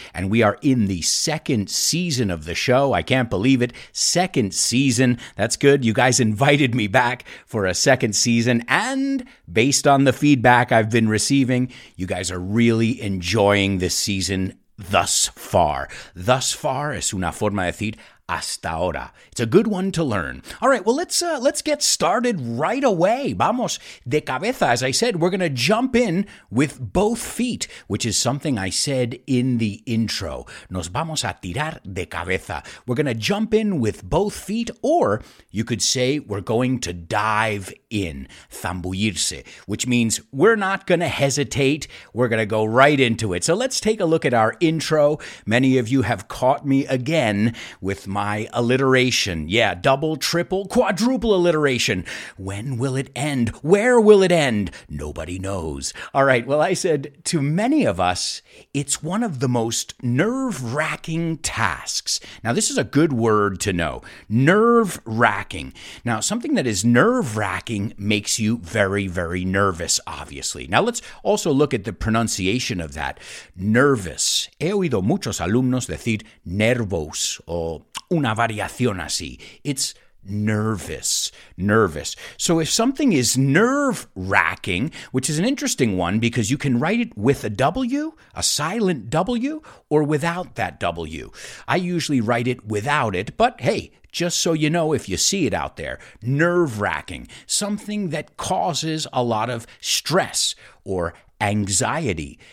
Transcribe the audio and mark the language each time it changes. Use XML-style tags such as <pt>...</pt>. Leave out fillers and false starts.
<en>And we are in the second season of the show. I can't believe it. Second season. That's good. You guys invited me back for a second season. And based on the feedback I've been receiving, you guys are really enjoying this season thus far. Thus far</en> <es>es una forma de decir hasta ahora.</es> <en>It's a good one to learn. All right, well, let's get started right away.</en> <es>Vamos de cabeza.</es> <en>As I said, we're going to jump in with both feet, which is something I said in the intro.</en> <es>Nos vamos a tirar de cabeza.</es> <en>We're going to jump in with both feet, or you could say we're going to dive in, zambullirse, which means we're not going to hesitate. We're going to go right into it. So let's take a look at our intro. Many of you have caught me again with my alliteration. Yeah, double, triple, quadruple alliteration. When will it end? Where will it end? Nobody knows. All right, well, I said, to many of us, it's one of the most nerve-wracking tasks. Now, this is a good word to know. Nerve-wracking. Now, something that is nerve-wracking makes you very, very nervous, obviously. Now, let's also look at the pronunciation of that. Nervous.</en> <es>He oído muchos alumnos decir nervos o una variación así.</es> <en>It's nervous, nervous. So if something is nerve-wracking, which is an interesting one because you can write it with a W, a silent W, or without that W. I usually write it without it, but hey, just so you know if you see it out there, nerve-wracking, something that causes a lot of stress or anxiety.</en>